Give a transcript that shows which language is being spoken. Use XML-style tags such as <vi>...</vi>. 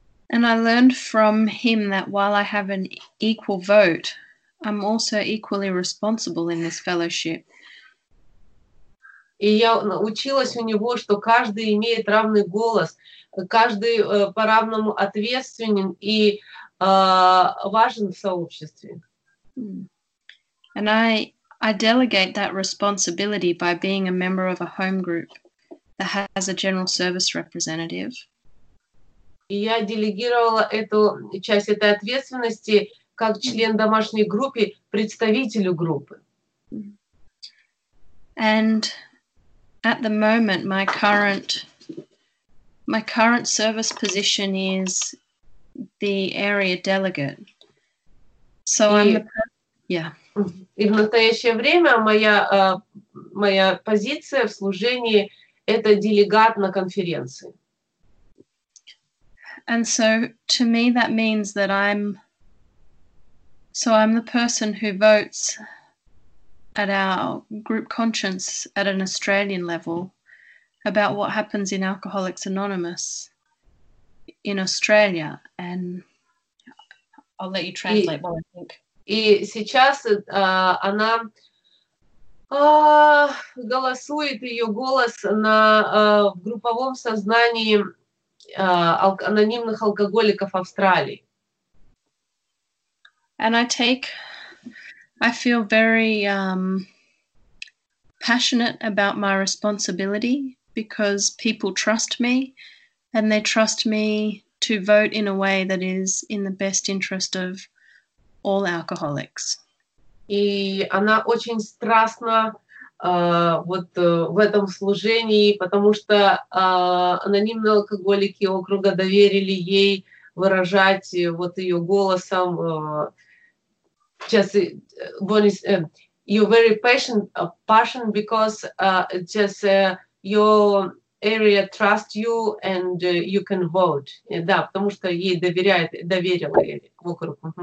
<en>And I learned from him that while I have an equal vote, I'm also equally responsible in this fellowship.</en> <ru>И я училась у него, что каждый имеет равный голос, каждый по-равному ответственен и важен в сообществе.</ru> <en>And I delegate that responsibility by being a member of a home group that has a general service representative.</en> <ru>И я делегировала эту часть этой ответственности как член домашней группы представителю группы.</ru> <en>And at the moment my current service position is the area delegate. So</en> <ru>И в настоящее время моя позиция в служении это делегат на конференции.</ru> <en>And so to me that means that I'm the person who votes at our group conscience at an Australian level about what happens in Alcoholics Anonymous in Australia. And I'll let you translate what I think.</en> <ru>И сейчас она голосует, ее голос на в групповом сознании анонимных алкоголиков Австралии.</ru> <en>And I feel very passionate about my responsibility because people trust me and they trust me to vote in a way that is in the best interest of all alcoholics.</en> <ru>И она очень страстна в этом служении, потому что анонимные алкоголики округа доверили ей выражать вот ее голосом.</ru> <en>Just what is you're very passionate because just your area trust you and you can vote.</en> <ru>Да, потому что ей доверила ей округ.</ru>